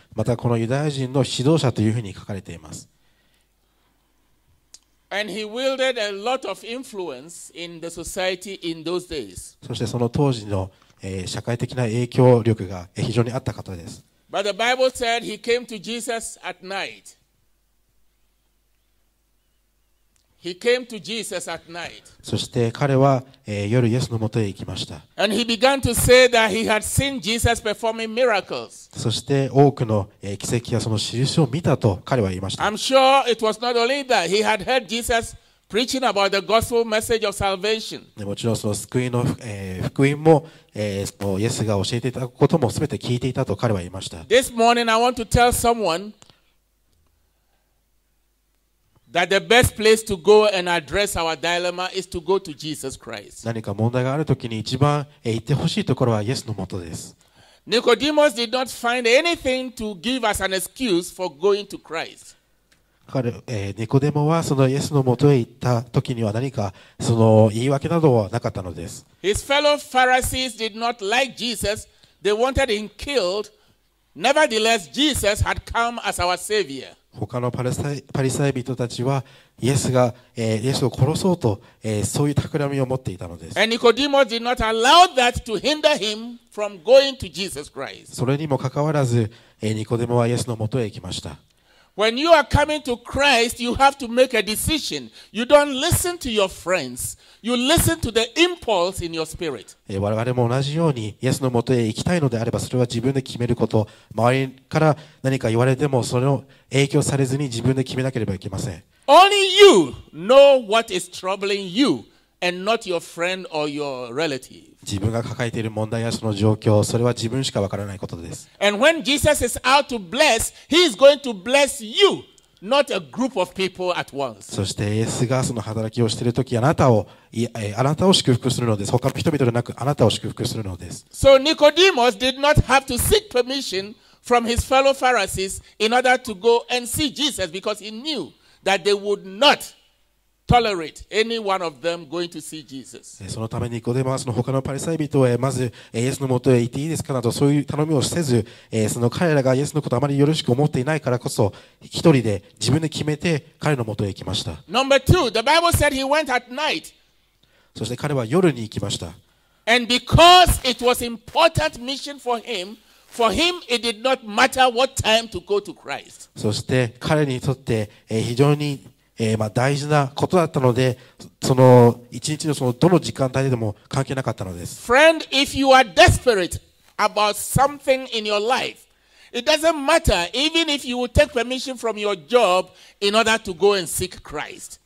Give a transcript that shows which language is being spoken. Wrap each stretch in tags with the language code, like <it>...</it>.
<ja>またこのユダヤ人の指導者というふうに書かれています。</ja> <en>And he wielded a lot of influence in the society in those days.</en> <ja>そしてその当時の、社会的な影響力が非常にあった方です。</ja> <en>But the Bible said he came to Jesus at night. He came to Jesus at night.</en> <ja>そして彼は、夜イエスのもとへ行きました。</ja> <en>And he began to say that he had seen Jesus performing miracles.</en> <ja>そして多くの、奇跡やその印を見たと彼は言いました。</ja> <en>I'm sure it was not only that. He had heard Jesus preaching about the gospel message of salvation.</en> <ja>もちろんその救いの、福音も、イエスが教えていたことも全て聞いていたと彼は言いました。</ja> <en>This morning I want to tell someone. That the best place to go and address our dilemma is to go to Jesus Christ.</en> <ja>何か問題があるときに一番行ってほしいところはイエスのもとです。</ja> <en>Nicodemus did not find anything to give us an excuse for going to Christ.</en> <ja>ニコデモはそのイエスのもとへ行ったときには何かその言い訳などはなかったのです。</ja> <en>His fellow Pharisees did not like Jesus. They wanted him killed. Nevertheless, Jesus had come as our savior.</en> <ja>他のパリサイ人たちはイエスが、イエスを殺そうと、そういう企みを持っていたのです。</ja> <en>And Nicodemus did not allow that to hinder him from going to Jesus Christ.</en> <ja>それにもかかわらず、ニコデモはイエスのもとへ行きました。</ja> <en>When you are coming to Christ, you have to make a decision. You don't listen to your friends. You listen to the impulse in your spirit.</en> <ja>我々も同じようにイエスのもとへ行きたいのであれば、それは自分で決めること。周りから何か言われても、それを影響されずに自分で決めなければいけません。</ja> <en>Only you know what is troubling you, and not your friend or your relative.</en> <ja>自分が抱えている問題やその状況、それは自分しかわからないことです。</ja> <en>And when Jesus is out to bless, he is going to bless you, not a group of people at once.</en> <ja>そしてイエスがその働きをしているとき、あなたを祝福するのです。他の人々でなく、あなたを祝福するのです。</ja> <en>So Nicodemus did not have to seek permission from his fellow Pharisees in order to go and see Jesus because he knew that they would not tolerate any one of them going to see Jesus.</en> <ja>そのためにニコデモはその他のパリサイ人へまずイエスの元へ行っていいですかなどそういう頼みをせず、その彼らがイエスのことをあまりよろしく思っていないからこそ一人で自分で決めて彼の元へ行きました。</ja> <en>Number two, the Bible said he went at night.</en> <ja>そして彼は夜に行きました。</ja> <en>And because it was important mission for him. For him, it did not matter what time to go to Christ.</en> <ja>そして彼にとって、非常に、大事なことだったので、その一日のそのどの時間帯でも関係なかったのです。</ja> <en>Friend, if you are desperate about something in your life, it doesn't matter even if you would take permission from your job in order to go and seek Christ.</en>